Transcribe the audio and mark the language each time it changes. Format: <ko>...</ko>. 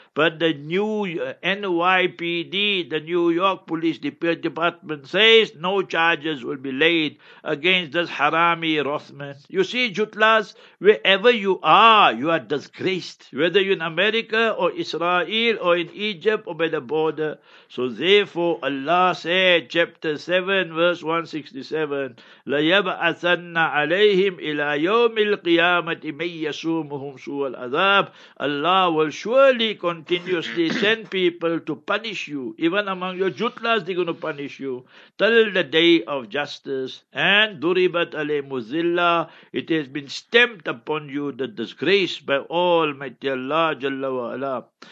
<en>But the new NYPD, the New York Police Department, says no charges will be laid against this harami Rothman. You see, Jutlas, wherever you are disgraced. Whether you're in America or Israel or in Egypt or by the border.</en> <ar>So therefore, Allah said, chapter 7, verse 167, لَيَبْعَثَنَّ عَلَيْهِمْ إِلَىٰ يَوْمِ الْقِيَامَةِ مَنْ يَسُومُهُمْ سُوَ الْعَذَابِ.</ar> <en>Allah will surely continuously send people to punish you. Even among your jutlas, they're going to punish you till the day of justice. And</en> <ar>duribat alayhimu zilla,</ar> <en>it has been stamped upon you, the disgrace, by Almighty Allah Jalla wa Ala.</en>